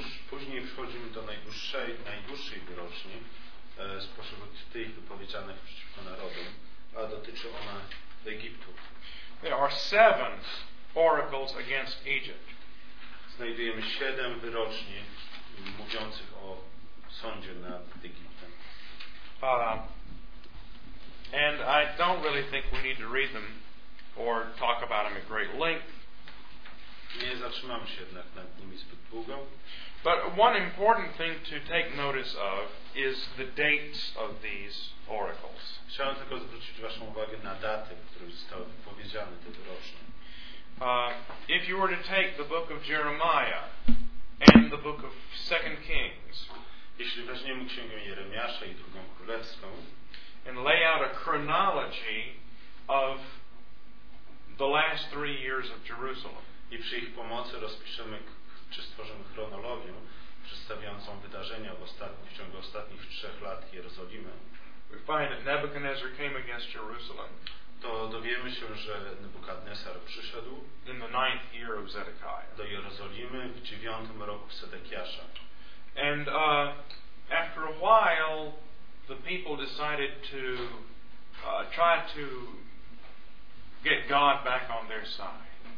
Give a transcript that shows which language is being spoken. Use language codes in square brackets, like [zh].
[pl] Później przechodzimy do najdłuższej roczni spośród tych wypowiedzianych przeciwko narodom, a dotyczy ona Egiptu. [en] There are 7 oracles against Egypt. [pl] Znajdujemy 7 wyroczni mówiących o sądzie nad Egiptem. [en] And I don't really think we need to read them or talk about them at great length. [pl] Nie zatrzymam się jednak nad nimi zbyt długo. [en] But one important thing to take notice of is the dates of these oracles. [pl] Chciałem tylko zwrócić Waszą uwagę na daty, które zostały wypowiedziane, te wyroczne. [en] If you were to take the book of Jeremiah and the book of 2 Kings, [pl] jeśli weźmiemy Księgę Jeremiasza i Drugą Królewską, [en] and lay out a chronology of the last 3 years of Jerusalem, [pl] i przy ich pomocy rozpiszemy czy stworzymy chronologię przedstawiającą wydarzenia w ciągu ostatnich 3 lat Jerozolimy, [en] we find that Nebuchadnezzar came against Jerusalem. [pl] To dowiemy się, że Nebukadnesar przyszedł [en] in the ninth year of Zedekiah. [pl] Do Jerozolimy w 9 roku Sedekiasza. [en] And after a while the people decided to try to get God back on their side.